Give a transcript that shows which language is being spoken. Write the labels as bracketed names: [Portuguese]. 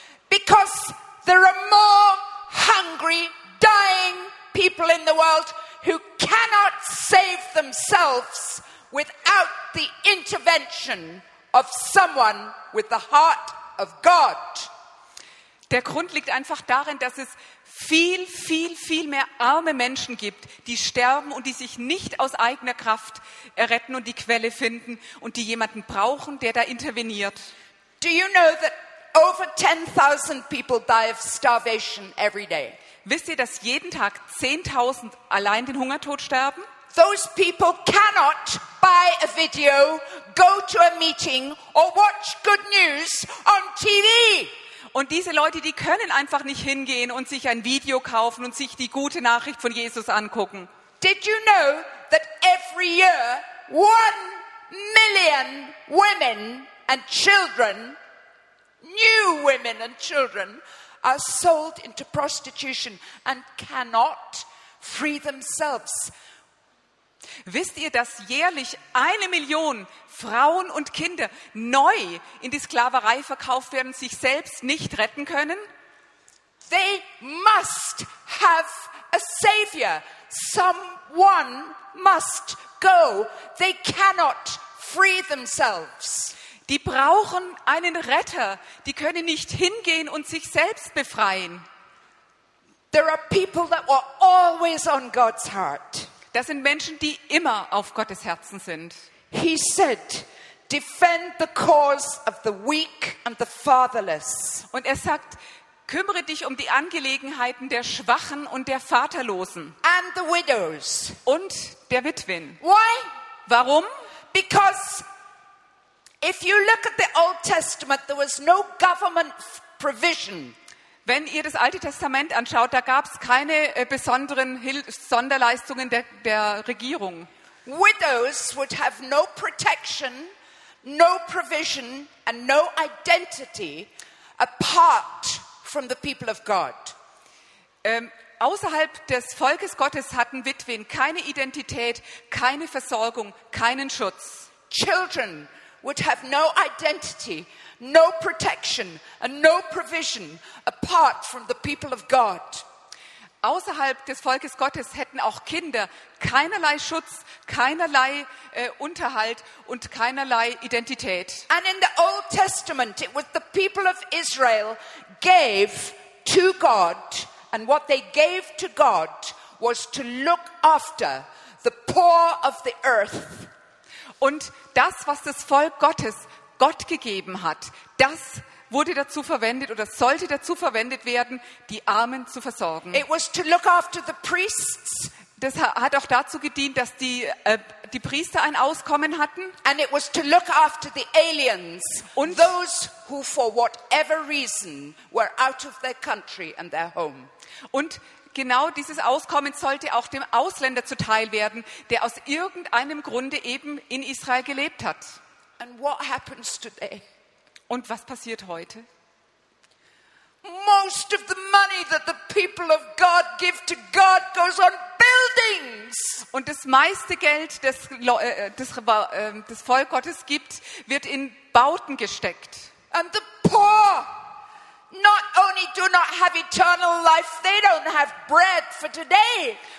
[English] Because there are more hungry, dying people in the world who cannot save themselves without the intervention of someone with the heart of God. [German] Der Grund liegt einfach darin, dass es viel, viel, viel mehr arme Menschen gibt, die sterben und die sich nicht aus eigener Kraft erretten und die Quelle finden und die jemanden brauchen, der da interveniert. [English] Do you know that over 10,000 people die of starvation every day? [German] Wisst ihr, dass jeden Tag 10,000 allein den Hungertod sterben? [English] Those people cannot buy a video, go to a meeting or watch good news on TV. [German] Und diese Leute, die können einfach nicht hingehen und sich ein Video kaufen und sich die gute Nachricht von Jesus angucken. [English] Did you know that every year 1 million women and children, new women and children, are sold into prostitution and cannot free themselves? [German] Wisst ihr, dass jährlich 1 Million Frauen und Kinder neu in die Sklaverei verkauft werden, sich selbst nicht retten können? [English] They must have a savior. Someone must go. They cannot free themselves. [German] Die brauchen einen Retter. Die können nicht hingehen und sich selbst befreien. [English] There are people that were always on God's heart. [German] Das sind Menschen, die immer auf Gottes Herzen sind. [English] He said, defend the cause of the weak and the fatherless. [German] Und er sagt, kümmere dich um die Angelegenheiten der Schwachen und der Vaterlosen. [English] And the widows. [German] Und der Witwen. [English] Why? [German] Warum? [English] Because if you look at the Old Testament, there was no government provision. [German] Wenn ihr das Alte Testament anschaut, da gab es keine besonderen Sonderleistungen der Regierung. [English] Widows would have no protection, no provision and no identity apart from the people of God. [German] Außerhalb des Volkes Gottes hatten Witwen keine Identität, keine Versorgung, keinen Schutz. [English] Children would have no identity, no protection and no provision apart from the people of God. [German] Außerhalb des Volkes Gottes hätten auch Kinder keinerlei Schutz, keinerlei Unterhalt und keinerlei Identität. [English] And in the Old Testament, it was the people of Israel gave to God, and what they gave to God was to look after the poor of the earth. [German] Und das, was das Volk Gottes Gott gegeben hat, das wurde dazu verwendet oder sollte dazu verwendet werden, die Armen zu versorgen. [English] It was to look after the priests. [German] Das hat auch dazu gedient, dass die Priester ein Auskommen hatten. [English] And it was to look after the aliens, [German] und [English] those who for whatever reason were out of their country and their home. [German] Und genau dieses Auskommen sollte auch dem Ausländer zuteil werden, der aus irgendeinem Grunde eben in Israel gelebt hat. [English] And what happens today? [German] Und was passiert heute? [English] Most of the money that the people of God give to God goes on buildings. [German] Und das meiste Geld, das Volk Gottes gibt, wird in Bauten gesteckt. [English] And the poor not only do not have eternal life, they don't have bread for today.